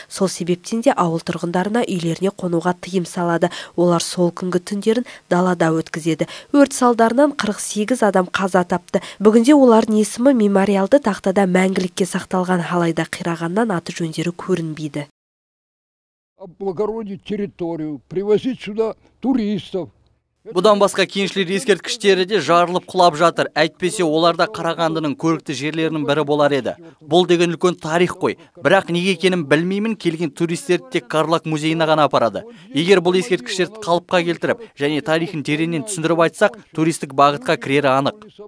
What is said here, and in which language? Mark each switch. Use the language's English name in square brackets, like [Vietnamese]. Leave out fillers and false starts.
[Kazakh] Сол себептен де ауыл тұрғындарына үйлеріне қонуға тыйым салады. Олар сол күнгі түндерін далада өткізеді. Өрт салдарынан 48 адам қаза тапты. Бүгінде олардың есімі мемориалды тақтада мәңгілікке сақталған, алайда қирағаннан аты жөндері көрінбейді. [Russian] Облагородить территорию, привозить сюда туристов. [Kazakh] Бұдан басқа кеншілер ескерткіштері де жарылып құлап жатыр. Әйтпесе оларда Қарағандының көрікті жерлерінің бірі болар еді. Бұл деген үлкен тарих қой. Бірақ неге екенін білмеймін, келген туристер тек Карлак музейіне ғана апарады. Егер бұл ескерткіштерді қалыпқа келтіріп, және тарихын тереңнен түсіндіріп айтсақ, туристік бағытқа кірері анық.